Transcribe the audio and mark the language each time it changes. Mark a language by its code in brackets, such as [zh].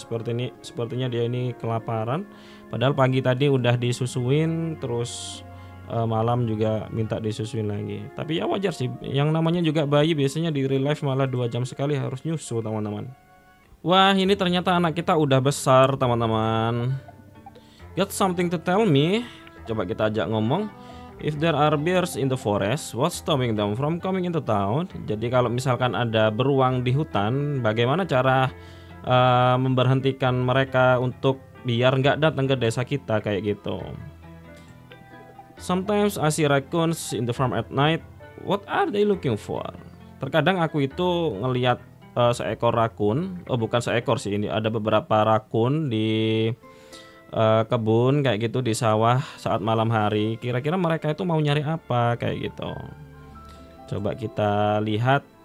[id] Seperti ini, sepertinya dia ini kelaparan. Padahal pagi tadi udah disusuin, terus malam juga minta disusuin lagi. Tapi ya wajar sih, yang namanya juga bayi biasanya di real life malah 2 jam sekali harus nyusu teman-teman. Wah, ini ternyata anak kita udah besar teman-teman. [en] Got something to tell me? [id] Coba kita ajak ngomong. [en] If there are bears in the forest, what's stopping them from coming into town? [id] Jadi kalau misalkan ada beruang di hutan, bagaimana cara memberhentikan mereka untuk biar nggak datang ke desa kita kayak gitu? [en] Sometimes I see raccoons in the farm at night. What are they looking for? [id] Terkadang aku itu ngelihat seekor raccoon. Oh, bukan seekor sih, ini ada beberapa raccoon di kebun kayak gitu, di sawah saat malam hari. Kira-kira mereka itu mau nyari apa kayak gitu. Coba kita lihat.